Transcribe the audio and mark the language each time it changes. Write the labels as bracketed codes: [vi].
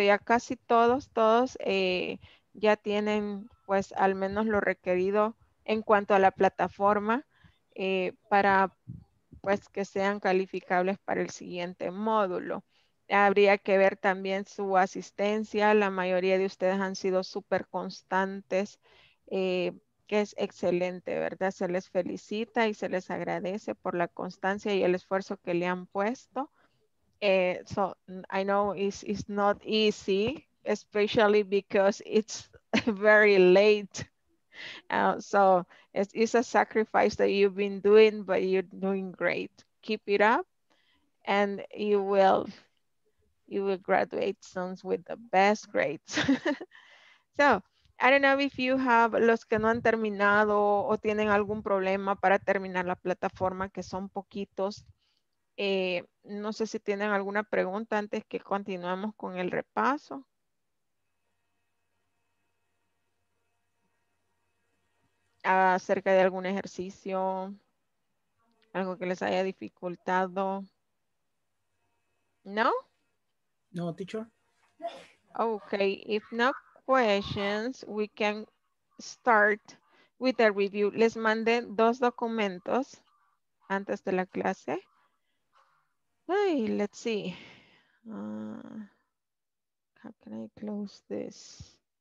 [es] Ya casi todos ya tienen pues al menos lo requerido en cuanto a la plataforma para pues que sean calificables para el siguiente módulo. Habría que ver también su asistencia. La mayoría de ustedes han sido súper constantes, que es excelente, ¿verdad? Se les felicita y se les agradece por la constancia y el esfuerzo que le han puesto. [en] So, I know it's not easy, especially because it's very late. So it's a sacrifice that you've been doing, but you're doing great. Keep it up and you will graduate soon with the best grades. So I don't know if you have [es] los que no han terminado o tienen algún problema para terminar la plataforma, que son poquitos. No sé si tienen alguna pregunta antes que continuemos con el repaso. Acerca de algún ejercicio, algo que les haya dificultado. ¿No? [en] No, teacher. Okay, if no questions, we can start with a review. [es] Les mandé dos documentos antes de la clase. [en] Hey, let's see. How can I close this?